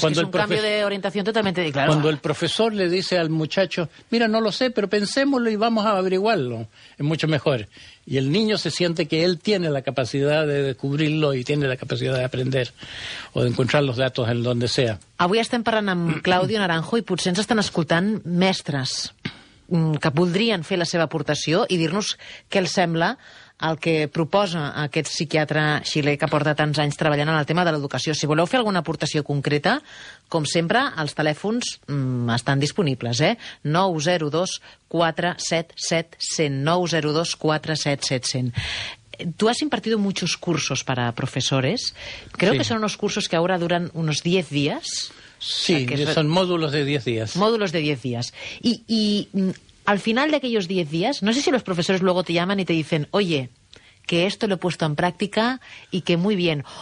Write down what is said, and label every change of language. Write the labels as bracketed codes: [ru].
[es] Cuando el cambio de orientación totalmente de claro. Cuando el profesor le dice al muchacho, mira, no lo sé, pero pensémoslo y vamos a averiguarlo, es mucho mejor. Y el niño se siente que él tiene la capacidad de descubrirlo y tiene la capacidad de aprender o de encontrar los datos en donde sea. [ca] Avui estem parlant amb Claudio Naranjo i potser ens estan escoltant mestres que voldrien fer la seva aportació i dir-nos què els sembla el que proposa aquest psiquiatre xilè que porta tants anys treballant en el tema de l'educació. Si voleu fer alguna aportació concreta, com sempre, els telèfons estan disponibles, 902-477-100, 902-477-100. [es] Tu has impartido muchos cursos para profesores. Creo sí. que son unos cursos que ahora duran unos 10 días. Sí, o sea, son módulos de 10 días. Módulos de 10 días. Y al final de aquellos 10 días, no sé si los profesores luego te llaman y te dicen, oye, que esto lo he puesto en práctica y que muy bien.